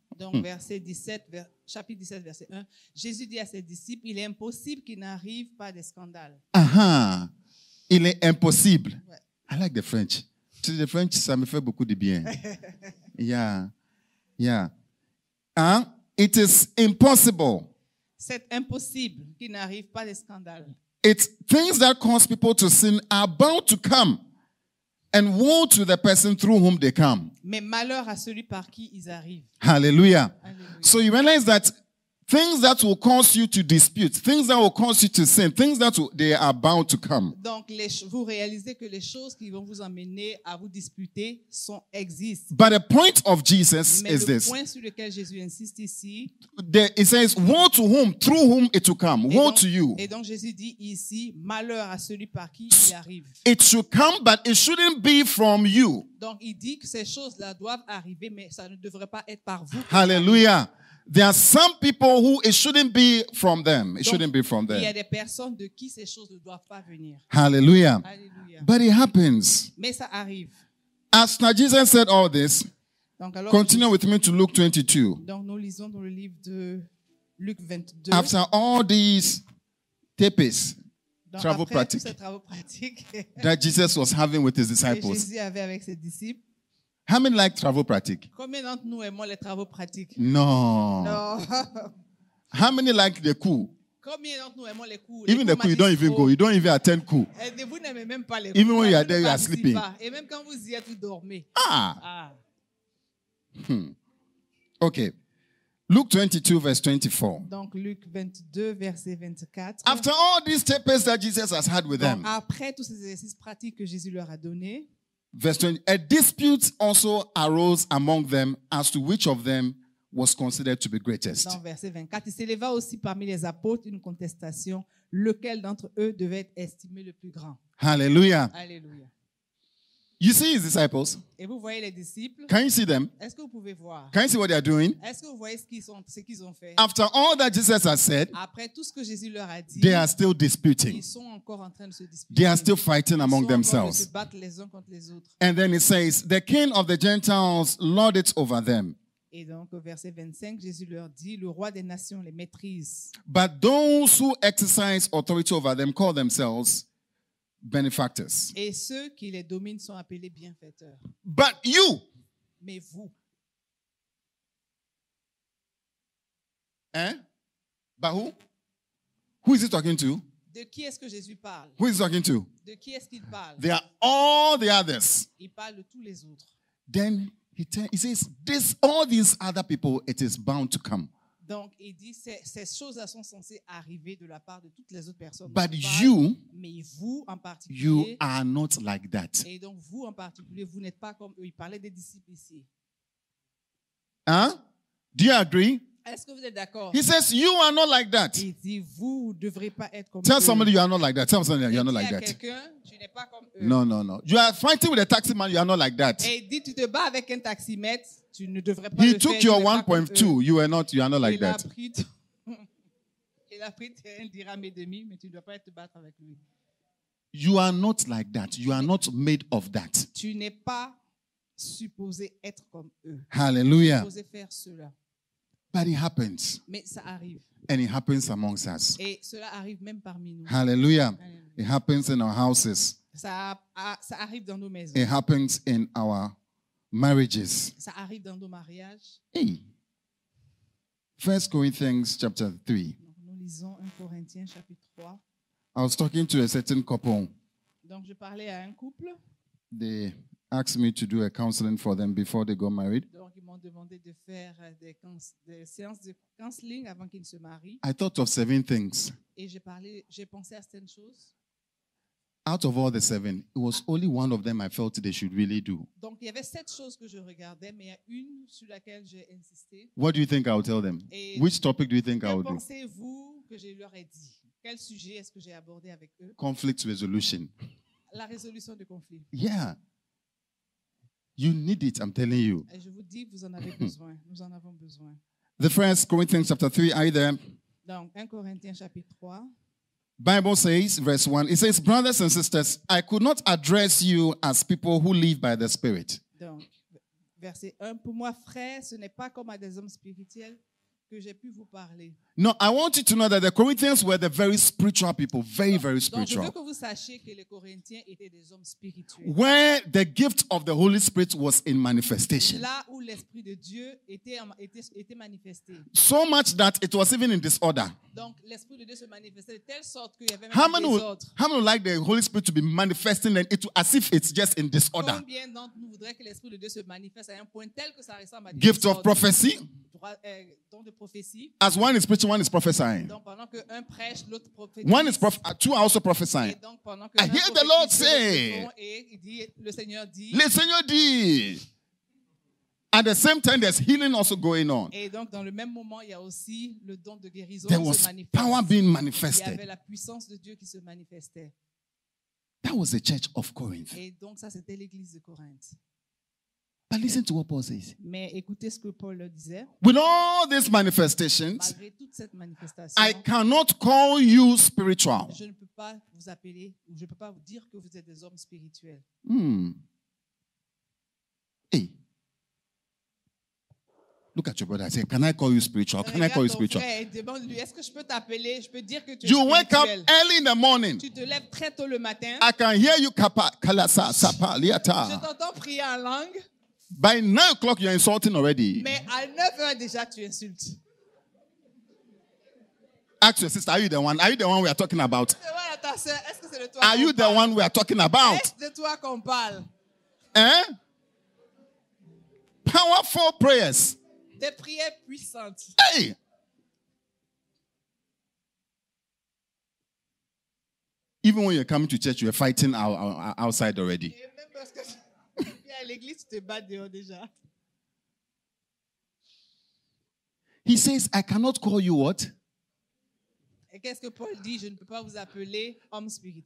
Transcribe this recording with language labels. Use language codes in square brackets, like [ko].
[fr] Donc verset 17, chapitre 17 verset 1. Jésus dit à ses disciples, il est impossible qu'il n'arrive pas des scandales. Il est impossible. Ouais. [en] I like the French. To the French, [fr] ça me fait beaucoup de bien. [en] Yeah. It is impossible. [fr] C'est impossible qu'il n'arrive pas des scandales. [en] It's things that cause people to sin are bound to come. And woe to the person through whom they come. [fr] Mais malheur à celui par qui ils arrivent. Hallelujah. Hallelujah. [en] So you realize that things that will cause you to dispute, things that will cause you to sin, things that they are bound to come. [fr] Donc vous réalisez que les choses qui vont vous amener à vous disputer sont existent. [en] But the point of Jesus [fr] Mais [en] is this. [fr] Mais le point sur lequel Jésus insiste ici. [en] It says, woe to whom, through whom it will come. Woe to you. [fr] Et donc Jésus dit ici, malheur à celui par qui il arrive. [en] It should come, but it shouldn't be from you. [fr] Donc il dit que ces choses-là doivent arriver, mais ça ne devrait pas être par vous. Hallelujah. [en] There are some people who it shouldn't be from them. It shouldn't be from them. [fr] Il y a des personnes de qui ces choses ne doivent pas venir. Hallelujah. Hallelujah. [en] But it happens. [fr] Mais ça arrive. [en] As now Jesus said all this, [fr] donc alors, [en] continue with me to Luke 22. [fr] Donc nous lisons dans le livre de Luc 22. [en] After all these tapes, travel [fr] pratique [en] that Jesus was having with his disciples. [fr] Jésus avait avec ses disciples. [en] How many like travel pratique? [fr] Combien d'entre nous aimons les travaux pratiques? Non. [en] How many like the coup? [fr] Combien d'entre nous aimons les coups? [en] Even [fr] les [en] the coup, you don't even go. You don't even attend coup. [fr] Et vous n'aimez même pas les [en] even Even when you are there, you are sleeping. [fr] Et même quand vous y êtes, vous dormez. [en] Okay. Luke 22, verse 24. [fr] Donc, Luc 22, verset 24. [en] After all these tapes that Jesus has had with [fr] donc, [en] them. [fr] Après tous ces exercices pratiques que Jésus leur a donnés. [en] Verse 20, a dispute also arose among them as to which of them was considered to be greatest. [fr] Dans verset 24, il s'éleva aussi parmi les apôtres une contestation, lequel d'entre eux devait être estimé le plus grand. Hallelujah. Hallelujah. [en] You see his disciples? [fr] Et vous voyez les disciples? [en] Can you see them? [fr] Est-ce que vous pouvez voir? [en] Can you see what they are doing? [fr] Est-ce que vous voyez ce qu'ils ont fait? [en] After all that Jesus has said, [fr] après tout ce que Jésus leur a dit, [en] they are still disputing. [fr] Ils sont encore en train de se disputer. [en] They are still fighting among themselves. [fr] Ils sont en train de se battre les uns contre les autres. [en] And then it says, the king of the Gentiles lord it over them. [fr] Et donc au verset 25, Jésus leur dit, le roi des nations les maîtrise. [en] But those who exercise authority over them call themselves benefactors. [fr] Et ceux qui les dominent sont appelés bienfaiteurs. [en] But you. [fr] Mais vous. [en] Hein? But who? Who is he talking to? [fr] De qui est-ce que Jésus parle? [en] Who is he talking to? [fr] De qui est-ce qu'il parle? [en] They are all the others. [fr] Il parle de tous les autres. [en] Then he says, this all these other people, it is bound to come. [fr] Donc il dit ces choses-là sont censées arriver de la part de toutes les autres personnes. [en] But you, [fr] mais vous en particulier, [en] you are not like that. [fr] Et donc vous en particulier, vous n'êtes pas comme eux. Il parlait des disciples ici. [en] Hein? Do you agree? [fr] Est-ce que vous êtes d'accord? [en] He says you are not like that. [fr] Il dit vous ne devrez pas être comme [en] tell [fr] eux. [en] Tell somebody you are not like that. Tell somebody you are not like that. [fr] Dis à quelqu'un, tu n'es pas comme eux. [en] No. You are fighting with a taxi man. You are not like that. [fr] Et dit tu te bats avec un taxi-maître. Tu ne devrais pas [en] he [fr] le [en] took [fr] faire, [en] your 1.2. You are not. You are not like [fr] il [en] that. [fr] Il a pris un dirham et demi, mais tu ne dois pas te battre avec lui. [en] You are not like that. You are not made of that. [fr] Tu n'es pas supposé être comme eux. Hallelujah. Supposé faire cela. [en] But it happens. [fr] Mais ça arrive. [en] And it happens amongst us. [fr] Et cela arrive même parmi nous. Hallelujah. Hallelujah. [en] It happens in our houses. [fr] Ça arrive dans nos maisons. [en] It happens in our marriages. [fr] Ça arrive dans nos mariages. [en] Hey. 1 Corinthians chapter 3. [fr] Nous lisons 1 Corinthiens chapitre 3. [en] I was talking to a certain couple. [fr] Donc je parlais à un couple. [en] They asked me to do a counseling for them before they got married. [fr] Donc ils m'ont demandé de faire des séances de counseling avant qu'ils ne se marient. [en] I thought of 7 things. [fr] Et j'ai pensé à certaines choses. [en] Out of all the 7, it was only one of them I felt they should really do. [fr] Donc il y avait 7 choses que je regardais, mais il y a une sur laquelle j'ai insisté. [en] What do you think I would tell them? [fr] Et [en] which topic do you think I would do? [fr] Que pensez-vous que je leur ai dit? Quel sujet est-ce que j'ai abordé avec eux? [en] Conflict resolution. [fr] La résolution de conflits. [en] Yeah. You need it, I'm telling you. [fr] Et je vous dis, vous en avez besoin. Nous en avons besoin. [en] The First Corinthians chapter 3, are you there? [fr] Donc, 1 Corinthiens chapitre 3. [en] Bible says, verse 1, it says, brothers and sisters, I could not address you as people who live by the Spirit. [fr] Donc, verset 1, pour moi, frère, ce n'est pas comme à des hommes spirituels que j'ai pu vous parler. [en] No, I want you to know that the Corinthians were the very spiritual people, very, very spiritual. [fr] Donc, je veux que vous sachiez que les Corinthiens étaient des hommes spirituels. [en] Where the gift of the Holy Spirit was in manifestation. [fr] Là où l'Esprit de Dieu était manifesté. [en] So much that it was even in disorder. [fr] Donc, l'Esprit de Dieu se manifestait de telle sorte qu'il y avait même un désordre. [en] How many would like the Holy Spirit to be manifesting and it as if it's just in disorder? [fr] Combien d'entre nous voudraient que l'Esprit de Dieu se manifeste à un point tel que ça ressemble à un désordre? [en] Gift of prophecy. [fr] Don de prophétie. [en] As one is preaching, one is prophesying. [fr] Donc, pendant que un prêche, l'autre prophétise. [en] One is two are also prophesying. [fr] Et donc, pendant que [en] I hear the Lord say. [fr] Le Seigneur dit. [en] At the same time, there's healing also going on. [fr] Et donc, dans le même moment, il y a aussi le don de guérison [en] there [fr] qui [en] was [fr] se manifeste. [en] Power being manifested. [fr] Il y avait la puissance de Dieu qui se manifestait. [en] That was the church of Corinth. [fr] Et donc, ça, c'était l'église de Corinth. [en] But listen to what Paul says. [fr] Mais écoutez ce que Paul le disait. [en] With all these manifestations, [fr] malgré toute cette manifestation, [en] I cannot call you spiritual. [fr] Je ne peux pas vous appeler, ou je ne peux pas vous dire que vous êtes des hommes spirituels. [en] Hey. Look at your brother and say, can I call you spiritual? Can [fr] regarde [en] I call you spiritual? [fr] Frère, demande-lui, est-ce que je peux t'appeler? Je peux dire que tu es [en] you [fr] spirituel. [en] Wake up early in the morning. [fr] Tu te lèves très tôt le matin. [en] I can hear you kalasa sapa liata. [fr] Je t'entends prier en langue. [en] By 9 o'clock, you're insulting already. [fr] Mais à 9 heures déjà, tu insultes. [en] Ask your sister, are you the one? Are you the one we are talking about? [fr] Demande à ta sœur, est-ce que c'est de toi qu'on parle? [en] Are you the one we are talking about? [fr] Est-ce de toi qu'on parle? [en] Hein? Powerful prayers. [fr] Des prières puissantes. [en] Hey! Even when you're coming to church, you're fighting outside already. [fr] Et même parce que à l'église, tu te bats dehors déjà. [en] He says, I cannot call you what? [fr] Et qu'est-ce que Paul dit? Je ne peux pas vous appeler homme spirituel.